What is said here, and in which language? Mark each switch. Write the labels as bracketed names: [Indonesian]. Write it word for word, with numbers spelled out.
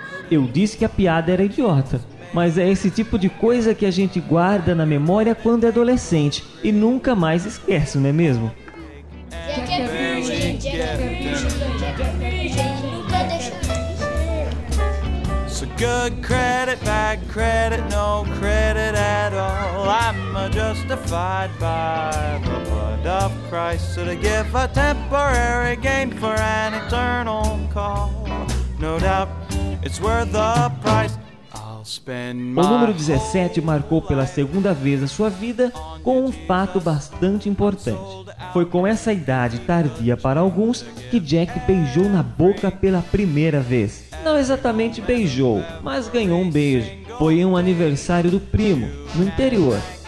[Portuguese] Eu disse que a piada era idiota, mas é esse tipo de coisa que a gente guarda na memória quando é adolescente e nunca mais esquece, não é mesmo? Jack é virgem, Jack é virgem, Jack é virgem, nunca deixará de ser. [English] So good credit, bad credit, no credit at all. I'm justified by the blood of Christ, so to give a temporary gain for an eternal call. No doubt, it's worth the price. [Portuguese] O número dezessete marcou pela segunda vez a sua vida com um fato bastante importante. Foi com essa idade tardia para alguns que Jack beijou na boca pela primeira vez. Não exatamente beijou, mas ganhou um beijo. Foi em um aniversário do primo, no interior.